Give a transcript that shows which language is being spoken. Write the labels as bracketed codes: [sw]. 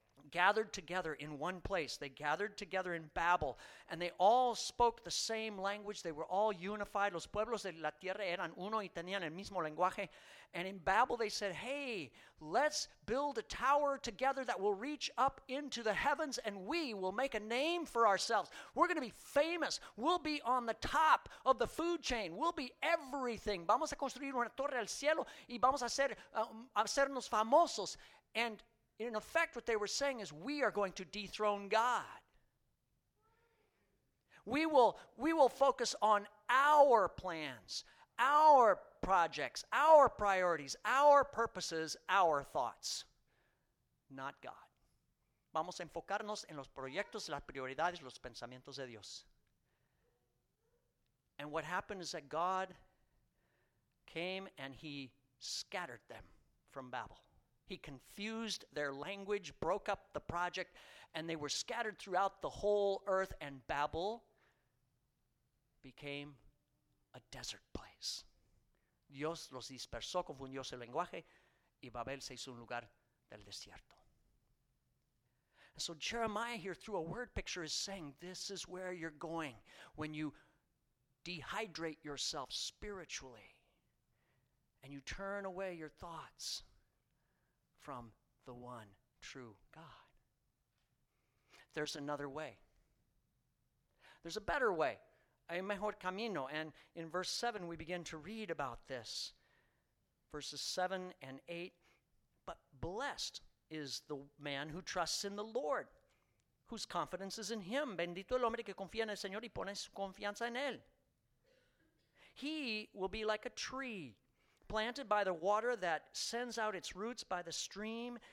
[en] gathered together in one place. They gathered together in Babel, and they all spoke the same language. They were all unified. [es] Los pueblos de la tierra eran uno y tenían el mismo lenguaje. [en] And in Babel, they said, hey, let's build a tower together that will reach up into the heavens, and we will make a name for ourselves. We're going to be famous. We'll be on the top of the food chain. We'll be everything. [es] Vamos a construir una torre al cielo y vamos a hacernos famosos. [en] And in effect, what they were saying is, we are going to dethrone God. We will focus on our plans, our projects, our priorities, our purposes, our thoughts, not God. [es] Vamos a enfocarnos en los proyectos, las prioridades, los pensamientos de Dios. [en] And what happened is that God came and he scattered them from Babel. He confused their language, broke up the project, and they were scattered throughout the whole earth, and Babel became a desert place. [es] Dios los dispersó, confundió su lenguaje, y Babel se hizo un lugar del desierto. [en] And so Jeremiah here, through a word picture, is saying, this is where you're going when you dehydrate yourself spiritually and you turn away your thoughts from the one true God. There's another way. There's a better way. [es] Hay mejor camino. [en] And in verse 7, we begin to read about this. Verses 7 and 8. But blessed is the man who trusts in the Lord, whose confidence is in him. [es] Bendito el hombre que confía en el Señor y pone su confianza en él. [en] He will be like a tree planted by the water that sends out its roots by the stream.